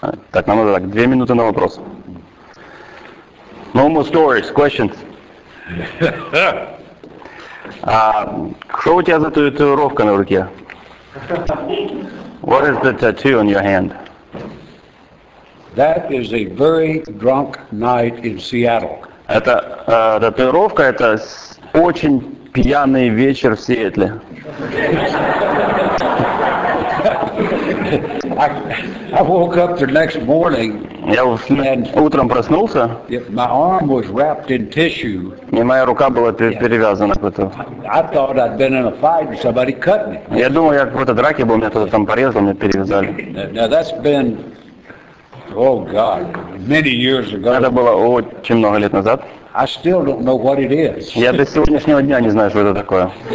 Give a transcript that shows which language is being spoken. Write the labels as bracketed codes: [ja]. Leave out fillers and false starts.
[ru] Так, нам надо 2 минуты на вопрос. [en] No more stories, questions. [ru] Что у тебя за татуировка на руке? [en] What is the tattoo on your hand? That is a very drunk night in Seattle. [ru] Это татуировка, это очень пьяный вечер в Сиэтле. [en] I woke up the next morning. [ru] Я утром проснулся. [en] My arm was wrapped in tissue. [ru] И моя рука была перевязана кто-то. [en] I thought I'd been in a fight and somebody cut me. [ru] Я думал, я в какой-то драке был, меня кто-то там порезал, меня перевязали. [en] Now that's been, oh God, many years ago. [ru] Это было очень много лет назад. [en] I still don't know what it is. [ru] Я до сегодняшнего дня не знаю, что это такое.